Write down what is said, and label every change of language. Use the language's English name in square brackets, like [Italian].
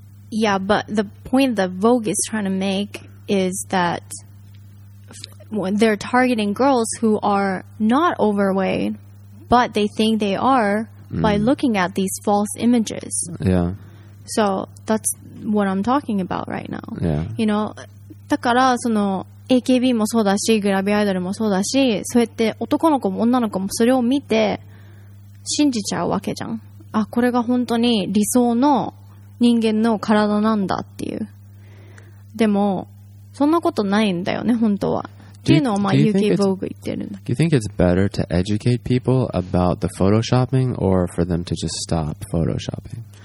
[English] Yeah, but the point that Vogue is trying to make is that they're targeting girls who are not overweight, but they think they are by looking at these false images. Yeah. So that's what I'm talking about right now. Yeah. You know, [Japanese] だからその AKB もそうだし、グラビアアイドルもそうだし、そうやって男の子も女の子もそれを見て信じちゃうわけじゃん。あ、これが本当に理想の人間の体なんだっていう。でもそんなことないんだよね、本当は。っていうのをまあ UK Vogue 言ってるんだ。 [English] Do you think it's better to educate people about the photoshopping or for them to just stop photoshopping?